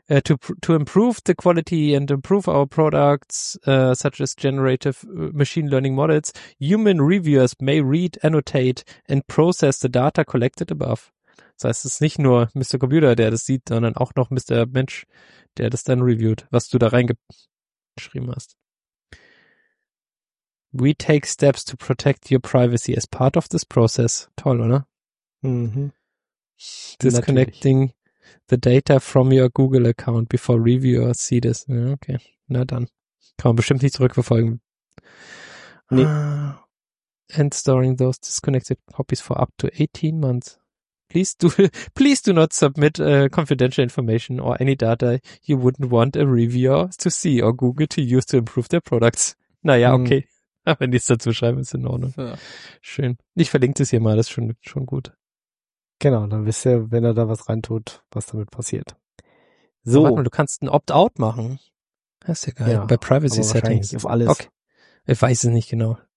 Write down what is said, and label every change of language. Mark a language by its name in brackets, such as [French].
[English] To improve the quality and improve our products, such as generative machine learning models, human reviewers may read, annotate and process the data collected above. [German] Das heißt, es ist nicht nur Mr. Computer, der das sieht, sondern auch noch Mr. Mensch, der das dann reviewt, was du da reingeschrieben hast. [English] We take steps to protect your privacy as part of this process. [German] Toll, oder? [English] Disconnecting the data from your Google account before reviewers see this. [German] Ja, okay, na dann. Kann man bestimmt nicht zurückverfolgen. Nee. [English] And storing those disconnected copies for up to 18 months. Please do not submit confidential information or any data you wouldn't want a reviewer to see or Google to use to improve their products. [German] Naja, okay. Wenn die es dazu schreiben, ist in Ordnung. Ja. Schön. Ich verlinke das hier mal, das ist schon gut. Genau, dann wisst ihr, wenn er da was reintut, was damit passiert. So. Warte mal, du kannst ein Opt-out machen. Das ist ja geil. Ja, bei Privacy Settings. Auf alles. Okay. Ich weiß es nicht genau.